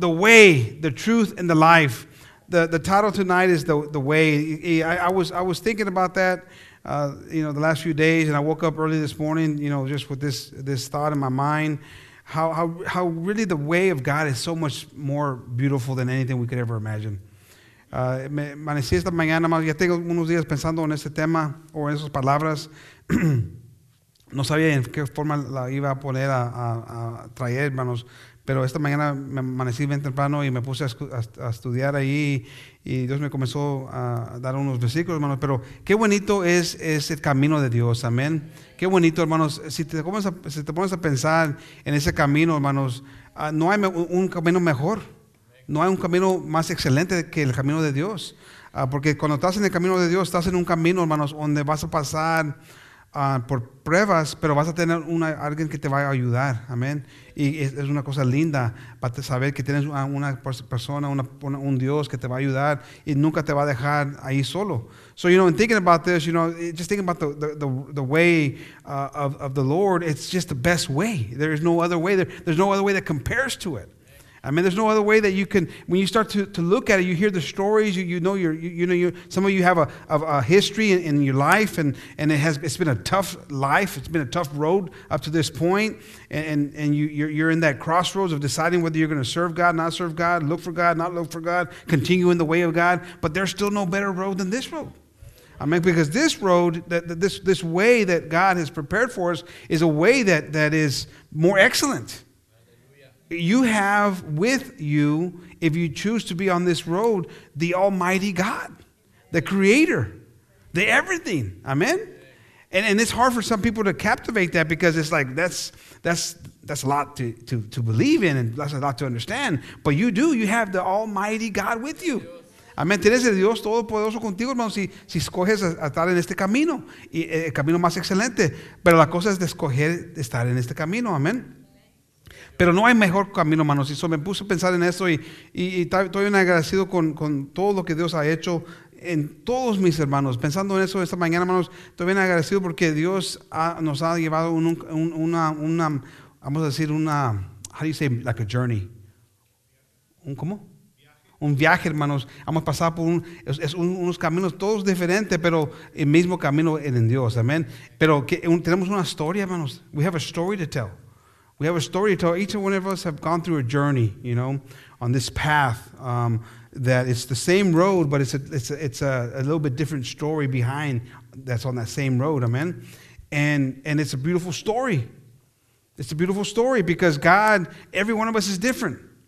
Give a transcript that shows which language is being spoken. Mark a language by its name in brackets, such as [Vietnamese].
[English] The way, the truth, and the life. The title tonight is the way. I was thinking about that, you know, the last few days, and I woke up early this morning, you know, just with this thought in my mind, how really the way of God is so much more beautiful than anything we could ever imagine. [Spanish] Manecí esta mañana, ya tengo unos días pensando en ese tema o en esas palabras. No sabía en qué forma la iba a poner a traer, hermanos. Pero esta mañana me amanecí bien temprano y me puse a estudiar ahí. Y Dios me comenzó a dar unos versículos, hermanos. Pero qué bonito es el camino de Dios, amén. Qué bonito, hermanos. Si te pones a pensar en ese camino, hermanos, no hay un camino mejor. No hay un camino más excelente que el camino de Dios. Porque cuando estás en el camino de Dios, estás en un camino, hermanos, donde vas a pasar por pruebas, pero vas a tener alguien que te va a ayudar. Amén. Y es una cosa linda para saber que tienes una persona, un Dios que te va a ayudar y nunca te va a dejar ahí solo. [English] So, you know, in thinking about this, you know, just thinking about the way of the Lord, it's just the best way. There is no other way. There's no other way that compares to it. I mean, there's no other way that you can, when you start to look at it, you hear the stories, some of you have a history in your life, and it's been a tough life, it's been a tough road up to this point, and you're in that crossroads of deciding whether you're going to serve God, not serve God, look for God, not look for God, continue in the way of God, but there's still no better road than this road. I mean, because this road, this way that God has prepared for us is a way that is more excellent. You have with you, if you choose to be on this road, the Almighty God, the Creator, the everything. Amen. And it's hard for some people to captivate that, because it's like that's a lot to believe in, and that's a lot to understand. But you do. You have the Almighty God with you. Amén. [Spanish] Tienes el Dios Todopoderoso contigo, hermano, si escoges a estar en este camino, y el camino más excelente. Pero la cosa es de escoger estar en este camino. Amén. Pero no hay mejor camino, hermanos. Y eso me puse a pensar en eso y estoy bien agradecido con todo lo que Dios ha hecho en todos mis hermanos. Pensando en eso esta mañana, hermanos, estoy bien agradecido porque Dios nos ha llevado una, vamos a decir, una, [English] how do you say, like a journey? [Spanish] ¿Un cómo? Un viaje, hermanos. Hemos pasado por unos caminos todos diferentes, pero el mismo camino en Dios, amén. Pero tenemos una historia, hermanos. [English] We have a story to tell. We have a story to tell. Each one of us have gone through a journey, you know, on this path that it's the same road, but it's a little bit different story behind that's on that same road. Amen. And it's a beautiful story. It's a beautiful story because God, every one of us is different.